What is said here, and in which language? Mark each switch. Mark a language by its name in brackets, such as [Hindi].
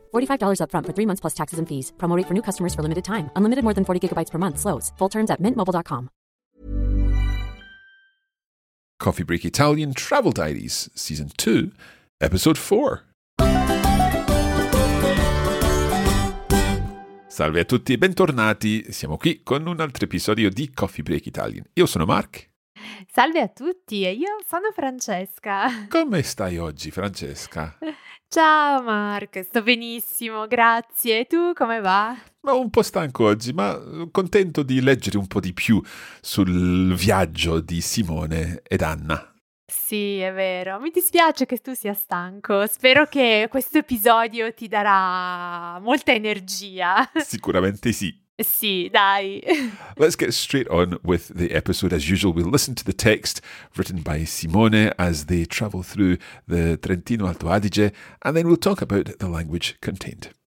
[English] $45 up front for 3 months plus taxes and fees. Promo rate for new customers for limited time. Unlimited more than 40 gigabytes per month slows. Full terms at mintmobile.com. Coffee Break Italian Travel Diaries, Season 2, Episode 4. [Italian] Salve a tutti e bentornati. Siamo qui con un altro episodio di Coffee Break Italian. Io sono Mark. Salve a tutti e io sono Francesca. Come stai oggi, Francesca? Ciao Mark, sto benissimo, grazie. E tu come va? Ma un po' stanco oggi, ma contento di leggere un po' di più sul viaggio di Simone ed Anna. Sì, è vero. Mi dispiace che tu sia stanco. Spero che questo episodio ti darà molta energia. Sicuramente sì. Sì, dai. [English] Let's get straight on with the episode. As usual, we'll listen to the text written by Simone as they travel through the Trentino Alto Adige, and then we'll talk about the language contained.